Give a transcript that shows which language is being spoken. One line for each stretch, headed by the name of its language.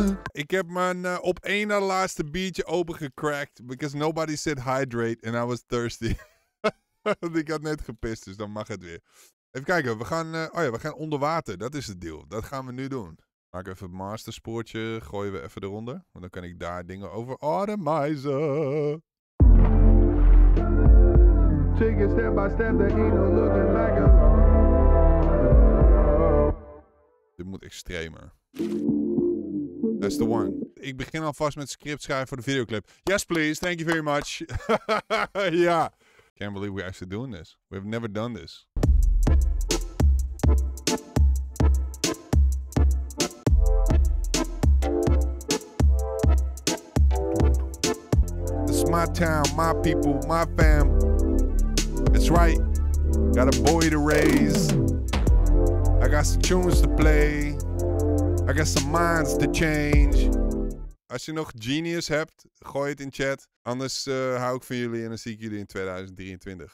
Dutch: Ik heb mijn op één na laatste biertje opengecrackt.
English: Because nobody said hydrate and I was thirsty.
Dutch: Ik had net gepist, dus dan mag het weer. Even kijken, we gaan, we gaan onder water. Dat is het deal. Dat gaan we nu doen. Maak even het masterspoortje, gooien we even eronder. Want dan kan ik daar dingen over automizen.
English: Take a step by step, there ain't no looking like a...
Dutch: Dit moet extremer.
English: That's the one.
Dutch: Ik begin alvast met script schrijven voor de videoclip.
English: Yes, please. Thank you very much. Ja. Can't believe we're actually doing this. We have never done this. This is my town, my people, my fam. That's right. Got a boy to raise. I got some tunes to play. I got some minds to change.
Dutch: Als je nog genius hebt, gooi het in chat. Anders hou ik van jullie en dan zie ik jullie in 2023.